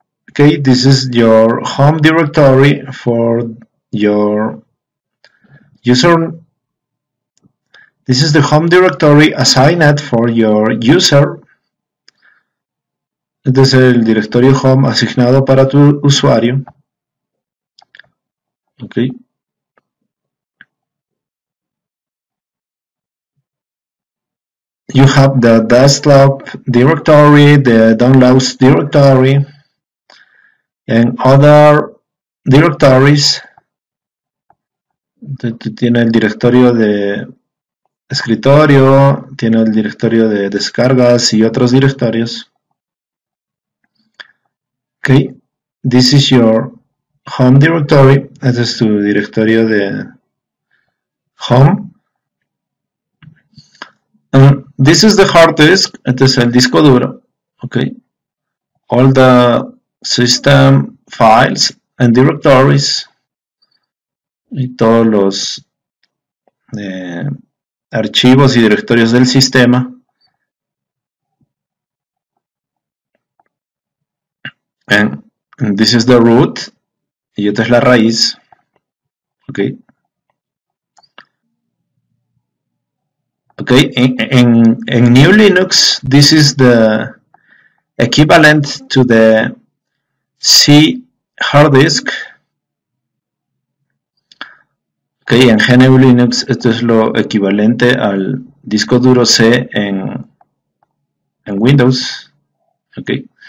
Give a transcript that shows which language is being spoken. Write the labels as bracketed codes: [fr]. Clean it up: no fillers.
[en] Okay, this is your home directory for your user. This is the home directory assigned for your user. [es] Este es el directorio home asignado para tu usuario. [en] Okay. You have the desktop directory, the downloads directory, and other directories. [es] Tiene el directorio de escritorio, tiene el directorio de descargas y otros directorios. [en] Okay, this is your home directory. [es] Este es tu directorio de home. [en] This is the hard disk, [es] este es el disco duro, [en] ok. All the system files and directories, [es] y todos los archivos y directorios del sistema. [en] And this is the root, [es] y esta es la raíz, [en] ok. Okay, in new Linux, this is the equivalent to the C hard disk. [es] Okay, en GNU Linux, esto es lo equivalente al disco duro C en Windows. [en] Okay.